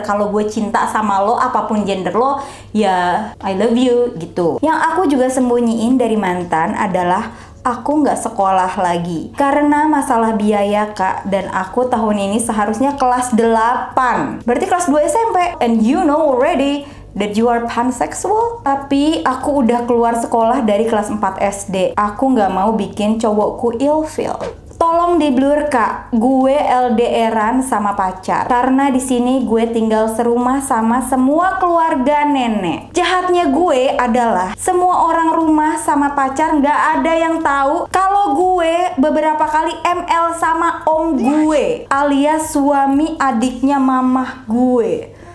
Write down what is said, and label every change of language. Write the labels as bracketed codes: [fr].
[id] Kalau gue cinta sama lo, apapun gender lo, ya [en] I love you, [id] gitu. Yang aku juga sembunyiin dari mantan adalah aku gak sekolah lagi karena masalah biaya, Kak. Dan aku tahun ini seharusnya kelas 8, berarti kelas 2 SMP. [en] And you know already that you are pansexual. [id] Tapi aku udah keluar sekolah dari kelas 4 SD. Aku gak mau bikin cowokku ilfeel. Tolong di blur, Kak. Gue LDR-an sama pacar. Karena di sini gue tinggal serumah sama semua keluarga nenek. Jahatnya gue adalah semua orang rumah sama pacar enggak ada yang tahu kalau gue beberapa kali ML sama om gue, alias suami adiknya mamah gue.